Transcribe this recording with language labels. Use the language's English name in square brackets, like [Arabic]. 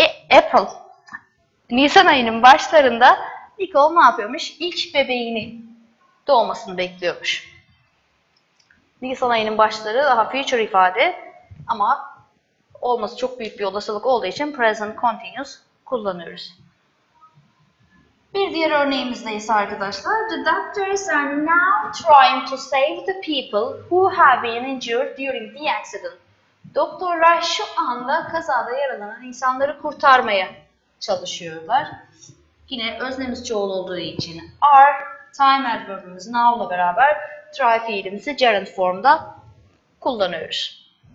[Turkish] April, Nisan ayının başlarında Nicole ne yapıyormuş? İlk bebeğini doğmasını bekliyormuş. Nisan ayının başları daha future ifade ama olması çok büyük bir olasılık olduğu için present continuous kullanıyoruz. Bir diğer örneğimizdeyiz arkadaşlar. [English] The doctors are now trying to save the people who have been injured during the accident. [Turkish] Doktorlar şu anda kazada yaralanan insanları kurtarmaya çalışıyorlar. Yine öznemiz çoğul olduğu için are time adverbimiz now ile beraber try fiilimizi gerund formda kullanıyoruz.